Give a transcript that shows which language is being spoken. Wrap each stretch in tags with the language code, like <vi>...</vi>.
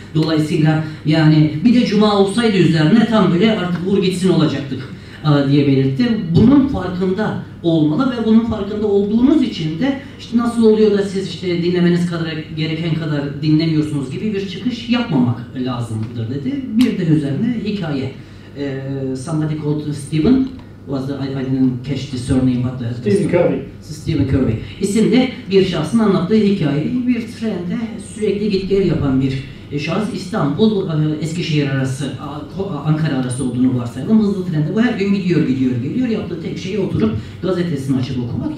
<tr>Dolayısıyla yani bir de cuma olsaydı üzerine tam böyle artık vur gitsin olacaktık diye belirtti. Bunun farkında olmalı ve bunun farkında olduğunuz için de işte nasıl oluyor da siz işte dinlemeniz kadar gereken kadar dinlemiyorsunuz gibi bir çıkış yapmamak lazımdır dedi. Bir de üzerine hikaye.</tr> <en>Somebody called Stephen. Was the, I didn't catch the surname but the Stephen Covey.</en> <tr>Stephen Covey. İsimli bir şahsın anlattığı hikayeyi bir trende sürekli git geri yapan bir şahıs. İstanbul Eskişehir arası, Ankara arası olduğunu varsayalım. Hızlı trende bu her gün gidiyor, gidiyor, geliyor. Yaptığı tek şey oturup gazetesini açıp okumak.</tr>